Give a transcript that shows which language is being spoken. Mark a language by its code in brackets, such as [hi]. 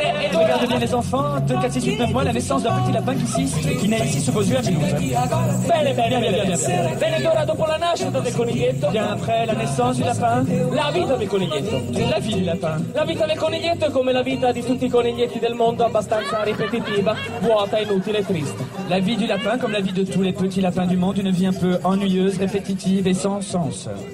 [fr] Regardez bien les enfants, 2, 4, 6, 8, 9 mois, la naissance d'un petit lapin qui naît ici sous vos yeux à Milouz. [it] Bene, ed ora dopo la nascita del coniglietto. [fr] Bien, après la naissance du lapin. [it] La vita del coniglietto. [fr] La vie du lapin. [it] La vita del coniglietto è come la vita di tutti i coniglietti del mondo, abbastanza ripetitiva, vuota, inutile e triste. [fr] La vie du lapin, comme la vie de tous les petits lapins du monde, une vie un peu ennuyeuse, répétitive et sans sens.